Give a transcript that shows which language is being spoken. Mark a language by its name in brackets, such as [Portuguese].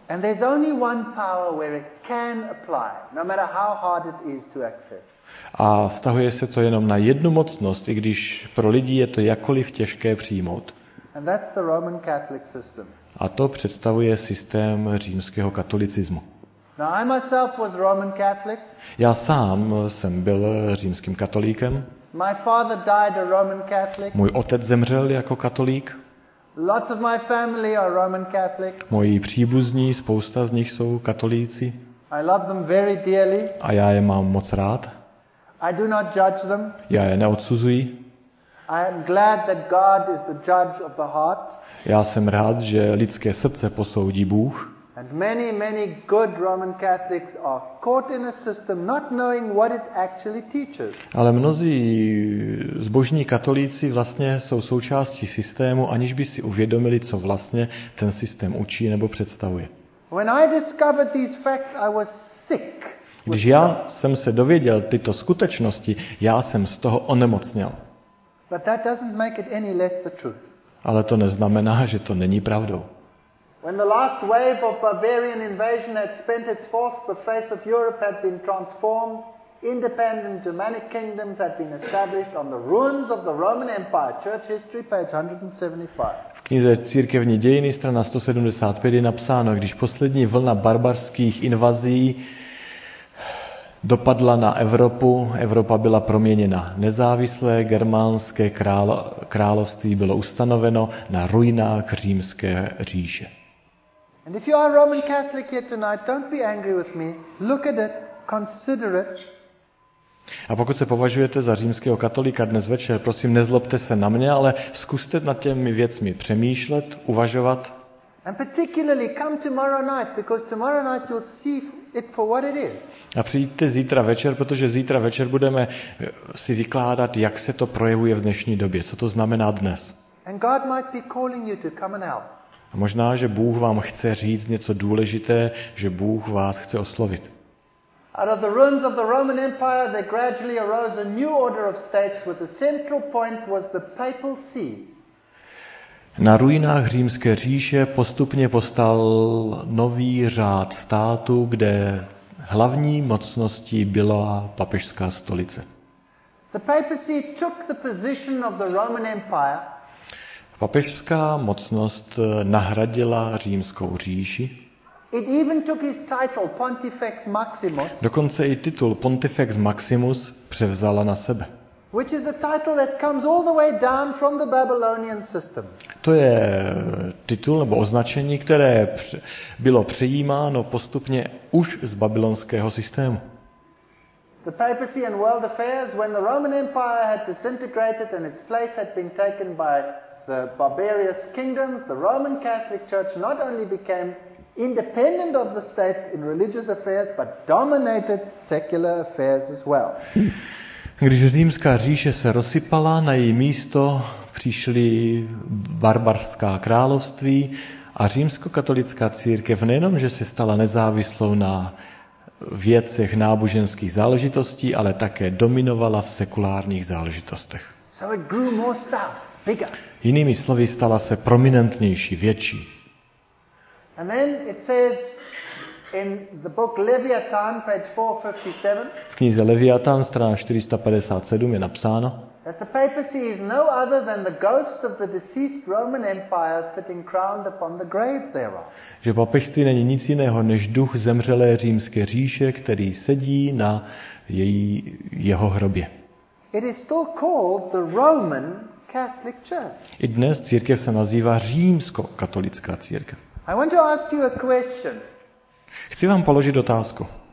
[English] And there's only one power where it can apply, no matter how hard it is to accept. [Czech] A vztahuje se to jenom na jednu mocnost, i když pro lidi je to jakkoliv těžké přijmout. [English] And that's the Roman Catholic system. [Czech] A to představuje systém římského katolicismu. [English] Now, I myself was Roman Catholic. [Czech] Já sám jsem byl římským katolíkem. [English] My father died a Roman Catholic. [Czech] Můj otec zemřel jako katolík. [English] Lots of my family are Roman Catholic. [Czech] Moji příbuzní, spousta z nich jsou katolíci. [English] I love them very dearly. [Czech] A já je mám moc rád. [English] I do not judge them. [Czech] Já je neodsuzuji. [English] I am glad that God is the judge of the heart. [Czech] Já jsem rád, že lidské srdce posoudí Bůh. [English] And many, many good Roman Catholics are caught in a system not knowing what it actually teaches. [Czech] Ale mnozí zbožní katolíci vlastně jsou součástí systému, aniž by si uvědomili, co vlastně ten systém učí nebo představuje. [English] When I discovered these facts, I was sick. [Czech] Když já jsem se dověděl tyto skutečnosti, já jsem z toho onemocněl. [English] But that doesn't make it any less the truth. [Czech] Ale to neznamená, že to není pravdou. [English] When the last wave of barbarian invasion had spent its force, the face of Europe had been transformed. Independent Germanic kingdoms had been established on the ruins of the Roman Empire. Church History, page 175. [Czech] V knize Církevní dějiny, strana 175, je napsáno, když poslední vlna barbarských invazí dopadla na Evropu, Evropa byla proměněna. Nezávislé germánské království bylo ustanoveno na ruinách Římské říše. [English] And if you are Roman Catholic here tonight, don't be angry with me. Look at it, consider it. [Czech] A pokud se považujete za římského katolíka dnes večer, prosím, nezlobte se na mě, ale zkuste nad těmi věcmi přemýšlet, uvažovat. [English] And particularly come tomorrow night, because tomorrow night you'll see it for what it is. [Czech] A přijďte zítra večer, protože zítra večer budeme si vykládat, jak se to projevuje v dnešní době, co to znamená dnes. [English] And God might be calling you to come and help. [Czech] A možná, že Bůh vám chce říct něco důležité, že Bůh vás chce oslovit. [English] Out of the ruins of the Roman Empire, there gradually arose a new order of states, with the central point was the papal see. [Czech] Na ruinách Římské říše postupně postal nový řád státu, kde hlavní mocností byla papežská stolice. [English] The papacy took the position of the Roman Empire. [Czech] Papežská mocnost nahradila Římskou říši. [English] It even took his title, Pontifex Maximus. [Czech] Dokonce i titul Pontifex Maximus převzala na sebe. [English] Which is a title that comes all the way down from the Babylonian system. [Czech] To je titul nebo označení, které bylo přejímáno postupně už z babylonského systému. [English] The papacy and world affairs, when the Roman Empire had disintegrated and its place had been taken by the barbarous kingdom, the Roman Catholic Church not only became independent of the state in religious affairs, but dominated secular affairs as well. [Czech] Když Římská říše se rozsypala, na její místo přišly barbarská království a římskokatolická církev nejenom, že se stala nezávislou na věcech náboženských záležitostí, ale také dominovala v sekulárních záležitostech. [English] So it grew more stout, bigger. [Czech] Jinými slovy, stala se prominentnější, větší. [English] A then it says in the book Leviathan, page 457. [Czech] V knize Leviathan, strana 457, je napsáno. [English] That the papacy is no other than the ghost of the deceased Roman Empire sitting crowned upon the grave thereof. [Czech] Že papežství není nic jiného než duch zemřelé římské říše, který sedí na jeho hrobě. [English] It is still called the Roman Catholic Church. [Czech] I dnes církev se nazývá římskokatolická církev. [English] I want to ask you a question. [Czech] Chci vám položit otázku.